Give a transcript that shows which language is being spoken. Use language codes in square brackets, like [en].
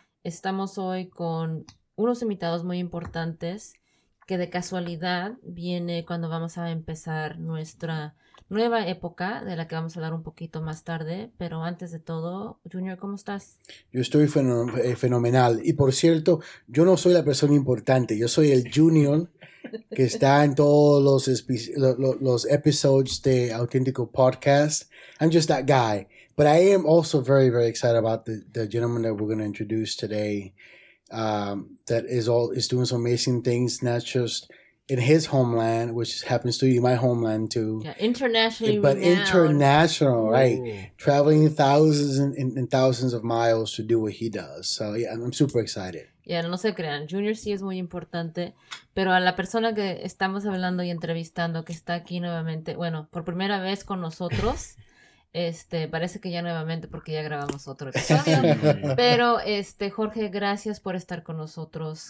[es] Estamos hoy con unos invitados muy importantes que de casualidad viene cuando vamos a empezar nuestra nueva época de la que vamos a hablar un poquito más tarde. Pero antes de todo, Junior, ¿cómo estás? Yo estoy fenomenal. Y por cierto, yo no soy la persona importante, yo soy el Junior que está en todos los episodios de Auténtico Podcast. [en] I'm just that guy. But I am also very, very excited about the gentleman that we're going to introduce today that is doing some amazing things, not just in his homeland, which happens to be my homeland too. Yeah, internationally. But renowned. International, right? Ooh. Traveling thousands and thousands of miles to do what he does. So, yeah, I'm super excited. [es] Yeah, no se crean. Junior sí es muy importante. Pero a la persona que estamos hablando y entrevistando, que está aquí nuevamente, bueno, por primera vez con nosotros... parece que ya nuevamente porque ya grabamos otro episodio, pero Jorge, gracias por estar con nosotros.